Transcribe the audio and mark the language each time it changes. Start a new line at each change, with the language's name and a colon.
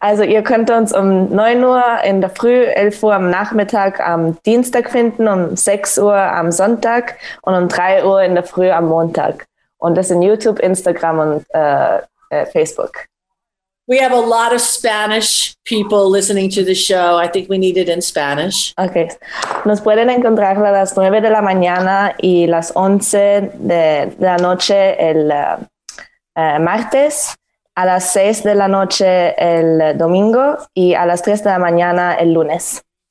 German: Also, ihr könnt uns um 9 Uhr in der Früh, 11 Uhr am Nachmittag am Dienstag finden, um 6 Uhr am Sonntag und um 3 Uhr in der Früh am Montag. Und das sind YouTube, Instagram und Facebook.
English: We have a lot of Spanish people listening to the show. I think we need it in Spanish. Okay.
Spanish: Nos pueden encontrar a las 9 de la mañana y las 11 de la noche el martes, a las 6 de la noche el domingo y a las 3 de la mañana el lunes.